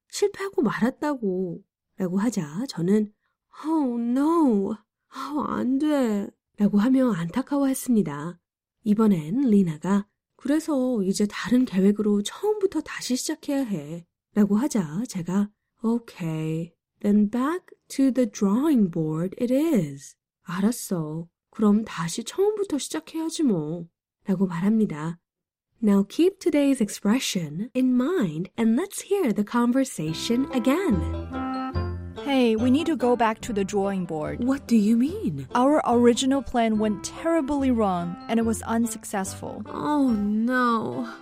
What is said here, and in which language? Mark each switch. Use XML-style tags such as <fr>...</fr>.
<ko>실패하고 말았다고. 라고 하자 저는</ko> <en>Oh no. Oh,</en> <ko>안 돼. 라고 하며 안타까워했습니다. 이번엔 리나가 그래서 이제 다른 계획으로 처음부터 다시 시작해야 해. 라고 하자 제가</ko> <en>Okay. Then back to the drawing board it is.</en> <ko>알았어. 그럼 다시 처음부터 시작해야지 뭐. 라고 말합니다.</ko> <en>Now keep today's expression in mind and let's hear the conversation again. Hey, we need to go back to the drawing board. What do you mean? Our original plan went terribly wrong and it was unsuccessful. Oh no.</en>